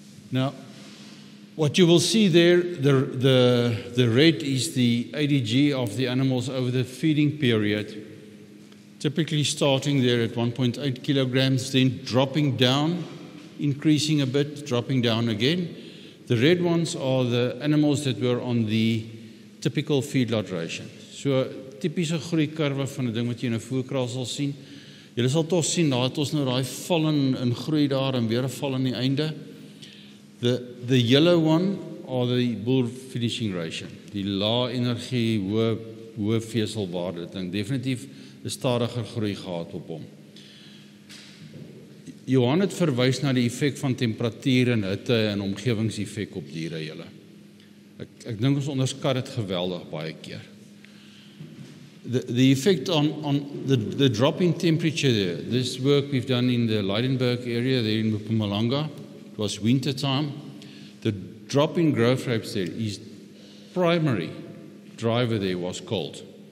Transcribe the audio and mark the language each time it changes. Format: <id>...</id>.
<en>Now, what you will see there, the red is the ADG of the animals over the feeding period, typically starting there at 1.8 kilograms, then dropping down, increasing a bit, dropping down again. The red ones are the animals that were on the typical feedlot ration.</en> <af>So, typische groeikurwe van die ding wat jy in 'n voerkraal sal sien. Jy sal tog sien dat ons nou daai val in groei daar en weer 'n val aan die einde. The yellow one are the bull finishing ration. Die lae energie, hoë veselwaarde ding. Definitief 'n stadiger groei gehad op hom. Johan het verwys na die effek van temperatuur en hitte en omgewingseffek op diere julle. Ek dink ons onderskat dit geweldig baie keer.</af> <en>The effect on the drop in temperature there. This work we've done in the Leidenburg area there in Mpumalanga. Was winter time, the drop in growth rates there is primary driver there was cold.</en>